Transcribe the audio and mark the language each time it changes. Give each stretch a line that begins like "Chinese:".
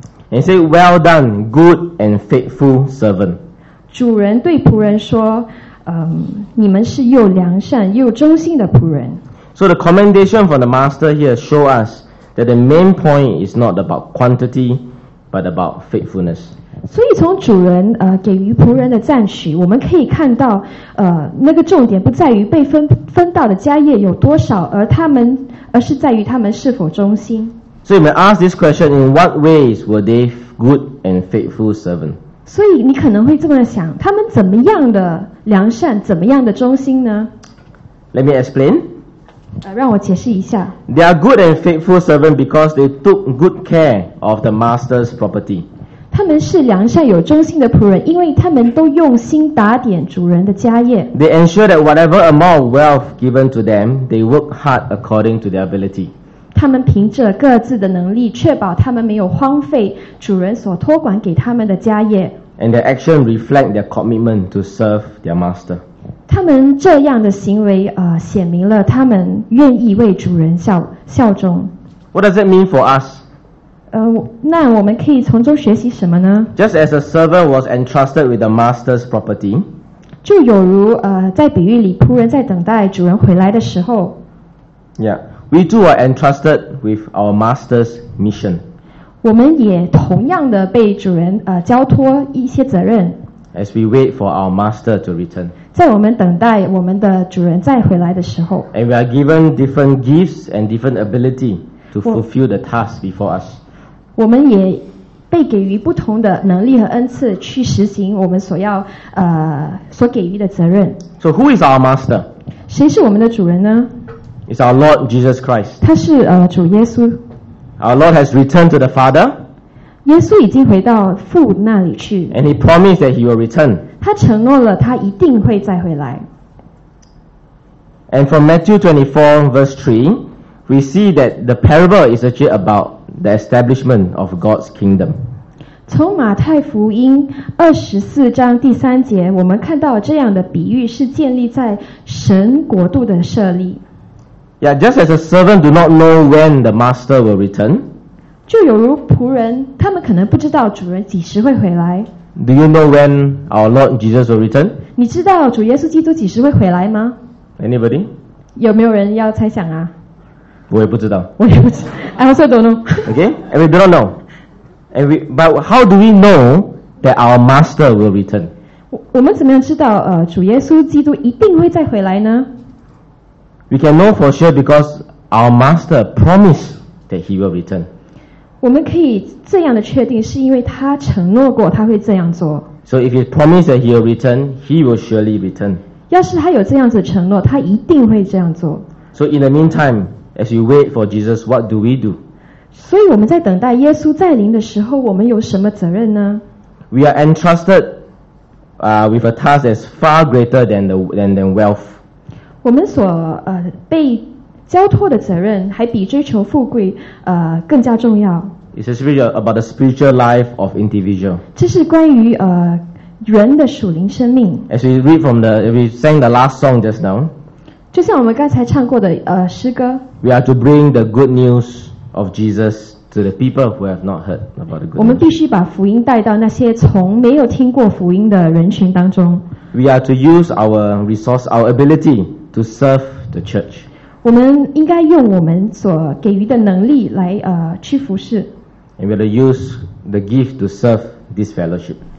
English: And say, well done, good and faithful servant.
Chinese: 主人对仆人说你们是又良善又忠心的仆人。
English: So the commendation from the master here show us that the main point is not about quantity, but about faithfulness.
Chinese: 所以从主人给予仆人的赞许，我们可以看到那个重点不在于被分到的家业有多少，而是在于他们是否忠心。
English: So you may ask this question: In what ways were they good and faithful servants?
Chinese: 所以你可能会这么想，他们怎么样的良善，怎么样的忠心呢？
English: Let me explain.
Chinese: 让我解释一下。
English: They are good and faithful servants because they took good care of the master's property.
Chinese: 他们是良善有忠心的仆人，因为他们都用心打点主人的家业。
English: They ensure that whatever amount of wealth given to them, they work hard according to their ability.
Chinese: 他们凭着各自的能力，确保他们没有荒废主人所托管给他们的家业。
English: And their action reflect their commitment to serve their master.
Chinese: 他们这样的行为显明了他们愿意为主人效忠。
English: What does that mean for us?
Chinese: 那我们可以从中学习什么呢？
English: Just as a servant was entrusted with the master's property.
Chinese: 就有如在比喻里仆人在等待主人回来的时候。
English: Yeah, we too are entrusted with our master's mission.
Chinese: 我们也同样的被主人交托一些责任。
English: As we wait for our master to return.
Chinese: 在我们等待我们的主人再回来的时候。
English: And we are given different gifts and different ability to fulfill the task before us.
Chinese: 我们也被给予不同的能力和恩赐去实行我们所要所给予的责任。
English: So who is our master?
Chinese: 谁是我们的主人呢？
English: It's our Lord Jesus Christ.
Chinese: 他是主耶稣。
English: Our Lord has returned to the Father.
Chinese: 耶稣已经回到父那里去。
English: And he promised that he will return.
Chinese: 他承诺了他一定会再回来。
English: And from Matthew 24 verse 3, we see that the parable is actually about the establishment of God's kingdom.
Chinese: 从马太福音24章第三节，我们看到这样的比喻是建立在神国度的设立。
English: Yeah, just as a servant do not know when the master will return.
Chinese: 就有如仆人，他们可能不知道主人几时会回来。
English: Do you know when our Lord Jesus will return?
Chinese: 你知道主耶稣基督几时会回来吗？
English: Anybody?
Chinese: 有没有人要猜想啊？我也不知道。我也不知道。
English: I also don't know. Okay, and we don't know. And we, but how do we know that our master will return?
Chinese: 我们怎么样知道主耶稣基督一定会再回来呢？
English: We can know for sure because our master promised that he will return.
Chinese: 我们可以这样的确定是因为他承诺过他会这样做。
English: So if he promised that he will return, he will surely return.
Chinese: 要是他有这样子承诺，他一定会这样做。
English: So in the meantime, as you wait for Jesus, what do we do?
Chinese: 所以我们在等待耶稣再临的时候，我们有什么责任呢？
English: We are entrusted, with a task that's far greater than the than wealth.
Chinese: 我们所被交托的责任，还比追求富贵更加重要。
English: It's especially about the spiritual life of individual.
Chinese: 这是关于人的属灵生命。
English: As we read from the, we sang the last song just now.
Chinese: 就像我们刚才唱过的诗歌。
English: We are to bring the good news of Jesus to the people who have not heard about the good news.
Chinese: 我们必须把福音带到那些从没有听过福音的人群当中。
English: We are to use our resource, our ability to serve the church.
Chinese: 我们应该用我们所给予的能力来去服事。
English: And we are to use the gift to serve this fellowship.